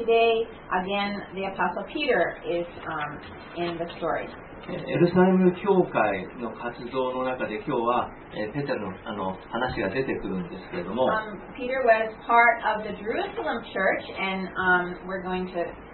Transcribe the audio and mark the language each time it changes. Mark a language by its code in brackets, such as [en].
[en] Today, again, the Apostle Peter is, in the story. [ja] エルサレム教会の活動の中で今日はペテロの、話が出てくるんですけれども、 [en] Peter was part of the Jerusalem church, and, we're going to...